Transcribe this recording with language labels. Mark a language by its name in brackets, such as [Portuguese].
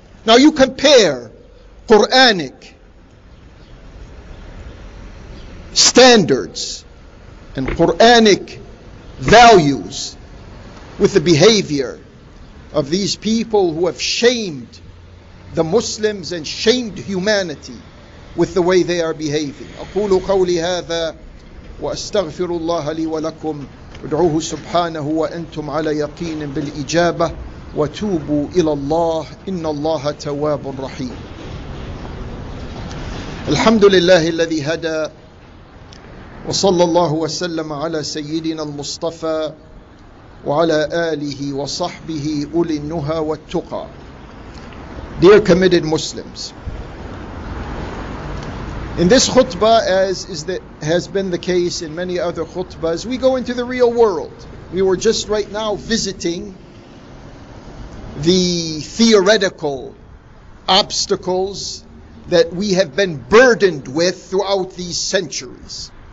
[English] Now you compare Quranic standards and Quranic values with the behavior of these people who have shamed the Muslims and shamed humanity with the way they are behaving. [Arabic] أَقُولُ قَوْلِ هَذَا وأستغفر الله لي ولكم ادعوه سبحانه وأنتم على يقين بالإجابة وتوبوا إلى الله إن الله تواب رحيم. الحمد لله الذي هدى وصلى الله وسلم على سيدنا المصطفى وعلى آله وصحبه أولي النهى والتقى. [English] Dear committed Muslims, in this khutbah, as is the, has been the case in many other khutbahs, we go into the real world. We were just right now visiting the theoretical obstacles that we have been burdened with throughout these centuries.